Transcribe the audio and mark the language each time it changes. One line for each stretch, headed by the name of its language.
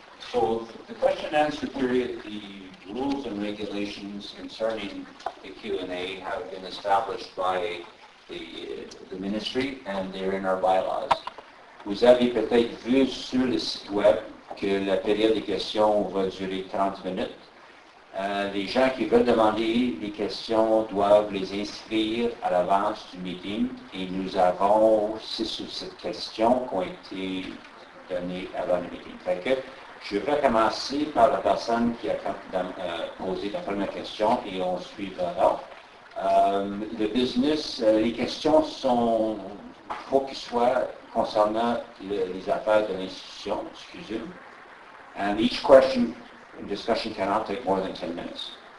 English: So the question and answer period, the rules and regulations concerning the Q&A have been established by the ministry, and they're in our bylaws.
French: Vous avez peut-être vu sur le site web que la période des questions va durer 30 minutes. Les gens qui veulent demander des questions doivent les inscrire à l'avance du meeting et nous avons 6 ou 7 questions qui ont été données avant le meeting. Fait que je vais commencer par la personne qui a posé la première question et on suivra. Le business, les questions sont, il faut qu'ils soient concernant les affaires de l'institution, excusez-moi.
English: And each question and discussion cannot take more than 10 minutes.